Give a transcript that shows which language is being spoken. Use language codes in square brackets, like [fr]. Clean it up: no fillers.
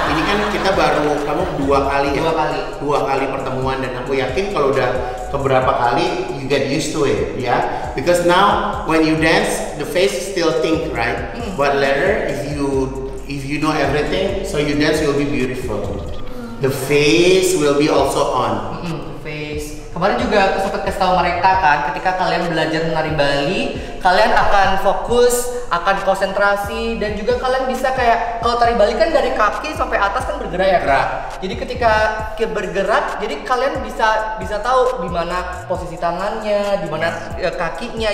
[id] Ini kan kita baru, kamu dua kali pertemuan, dan aku yakin kalau udah keberapa kali, [en] you get used to it, [id] ya. [en] Because now when you dance, the face still think, right? But later, if you know everything, so you dance, you'll be beautiful. The face will be also on. Face. [id] Kemarin juga aku sempat kasih tahu mereka kan, ketika kalian belajar menari Bali, kalian akan fokus, akan konsentrasi, dan juga kalian bisa kayak, kalau tari Bali kan dari kaki sampai atas kan bergerak ya. Gerak. Jadi ketika bergerak, jadi kalian bisa tahu di mana posisi tangannya, di mana kakinya.